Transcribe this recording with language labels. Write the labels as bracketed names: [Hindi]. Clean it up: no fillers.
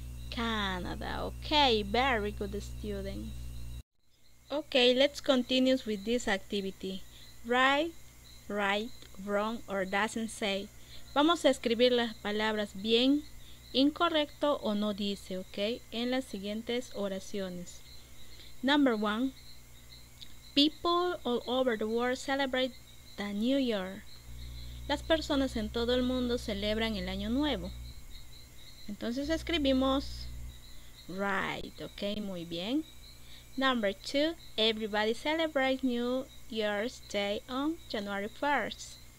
[English] Canada, ok, very good students. Ok, let's continue with this activity. Right, wrong, or doesn't say. [Spanish] Vamos a escribir las palabras bien, incorrecto o no dice, ok, en las siguientes oraciones. [English] Number one, people all over the world celebrate the New Year. [Spanish] Las personas en todo el mundo celebran el Año Nuevo. Entonces escribimos right, ok, muy bien. [English] Number two, everybody celebrates New Year's Day on January 1st.